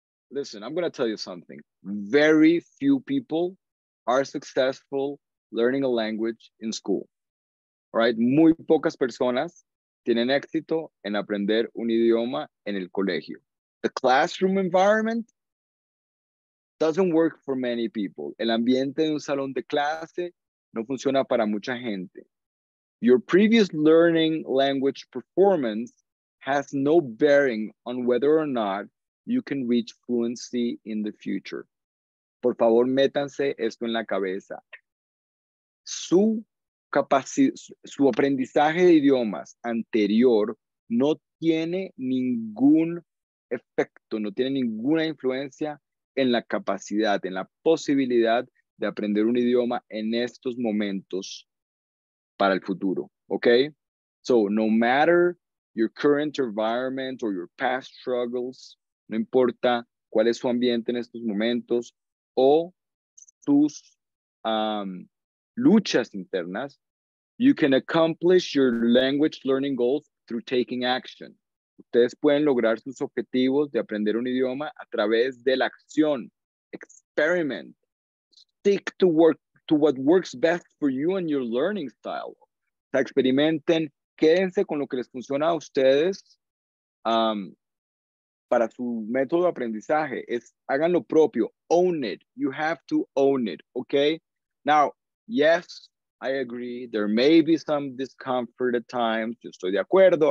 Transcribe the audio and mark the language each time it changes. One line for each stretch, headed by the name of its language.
English: Listen, I'm going to tell you something. Very few people are successful learning a language in school, all right?
Spanish: Muy pocas personas tienen éxito en aprender un idioma en el colegio.
English: The classroom environment doesn't work for many people.
Spanish: El ambiente de un salón de clase no funciona para mucha gente.
English: Your previous learning language performance has no bearing on whether or not you can reach fluency in the future.
Spanish: Por favor, métanse esto en la cabeza. Su aprendizaje de idiomas anterior no tiene ningún efecto, no tiene ninguna influencia en la capacidad, en la posibilidad de aprender un idioma en estos momentos para el futuro, okay?
English: So no matter your current environment or your past struggles,
Spanish: no importa cuál es su ambiente en estos momentos o sus luchas internas,
English: you can accomplish your language learning goals through taking action.
Spanish: Ustedes pueden lograr sus objetivos de aprender un idioma a través de la acción.
English: Experiment. stick to work to what works best for you and your learning style.
Spanish: Experimenten, quédense con lo que les funciona a ustedes para su método de aprendizaje. Es hagan lo propio.
English: Own it. You have to own it. Okay. Now, yes, I agree. There may be some discomfort at times.
Spanish: Yo estoy de acuerdo.